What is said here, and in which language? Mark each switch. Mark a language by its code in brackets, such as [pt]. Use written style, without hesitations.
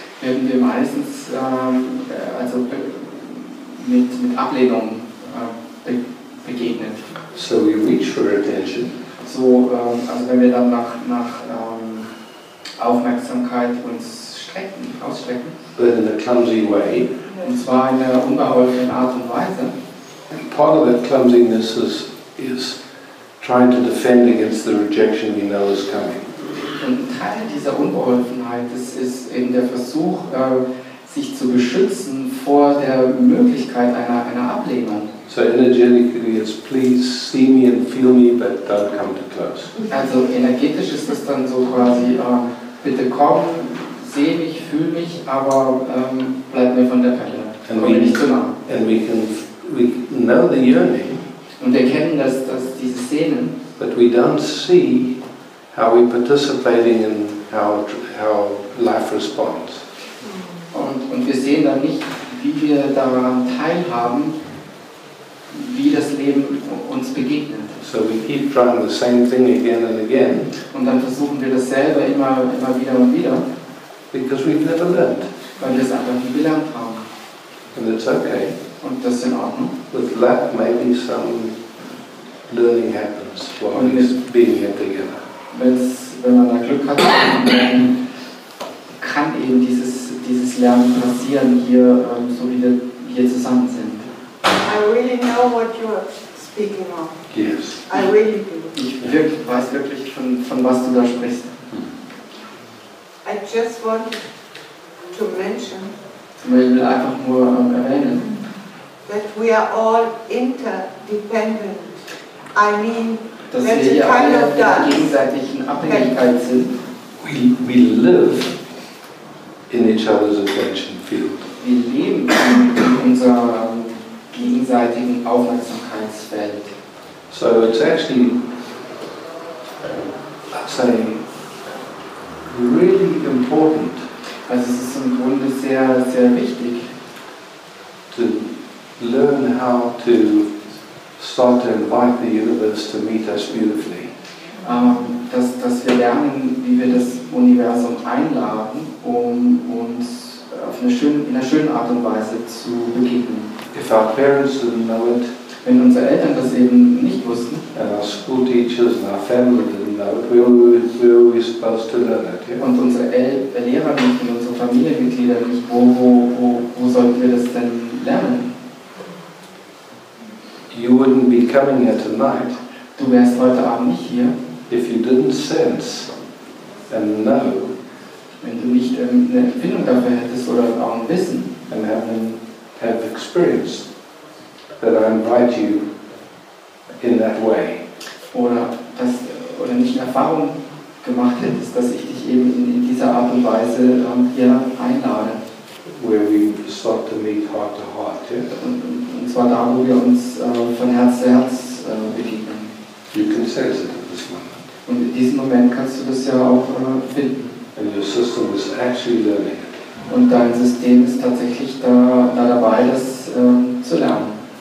[de] Werden wir meistens also mit Ablehnung begegnet. [en] So we reach for attention. [de] So, also wenn wir dann nach Aufmerksamkeit uns strecken, ausstrecken. [en] But in a clumsy way. [de] Und zwar in einer unbeholfenen Art und Weise. [en] Part of that clumsiness is trying to defend against the rejection we know is coming. [de] Und ein Teil dieser Unbeholfenheit, das ist eben der Versuch, sich zu beschützen vor der Möglichkeit einer Ablehnung. [en] So energetically it's please see me and feel me, but don't come too close. [de] Also energetisch ist das dann so quasi, bitte komm, seh mich, fühl mich, aber bleib mir von der Pelle. Komm nicht zu nah. [en] And we know the yearning. [de] Und erkennen, dass diese Sehnen. [en] But we don't see how we participating in how life responds. [de] Und wir sehen dann nicht, wie wir daran teilhaben, wie das Leben uns begegnet. [en] So we keep trying the same thing again and again. [de] Und dann versuchen wir dasselbe immer wieder und wieder. [en] Because we've never learned. [de] Weil wir es einfach nie gelernt haben. [en] And it's okay. [de] Und das ist in Ordnung. [en] With luck, maybe some learning happens while we're being here together. [de] Wenn man da Glück hat, dann kann eben dieses Lernen passieren, hier, so wie wir hier zusammen sind. [en] I really know what you are speaking of. Yes. I really do. [de] Ich weiß wirklich, von was du da sprichst. [en] I just want to mention, [de] ich will einfach nur erwähnen, [en] that we are all interdependent. I mean, [de] dass wir hier alle in der gegenseitigen Abhängigkeit sind. [en] We live in each other's attention field. [de] Wir leben in unserem gegenseitigen Aufmerksamkeitsfeld. [en] So it's actually, I'd say, really important. [de] Also es ist im Grunde sehr, sehr wichtig, [en] to learn how to start to invite the universe to meet us beautifully. [de] Dass wir lernen, wie wir das Universum einladen, um uns in einer schönen Art und Weise zu begegnen. [en] If our parents didn't know it, [de] wenn unsere Eltern das eben nicht wussten, [en] and our school teachers and our family didn't know it, where were we supposed to learn it? Yeah? [de] Und unsere Lehrer nicht und unsere Familienmitglieder nicht, wo sollten wir das denn lernen? [en] You wouldn't be coming here tonight. [de] Du wärst heute Abend nicht hier, [en] if you didn't sense and know, [de] wenn du nicht eine Empfindung dafür hättest oder auch ein Wissen, [en] and have experienced that I invite you in that way, [de] oder nicht eine Erfahrung gemacht hättest, dass ich dich eben in dieser Art und Weise hier einlade. [en] Where we start to meet heart to heart, yeah? [de] Und zwar da, wo wir uns von Herz zu Herz begegnen. [en] You can sense it at this moment. [de] Und in diesem Moment kannst du das ja auch finden. [en] And your system is actually learning. [de] Und dein System ist tatsächlich da dabei, das zu lernen.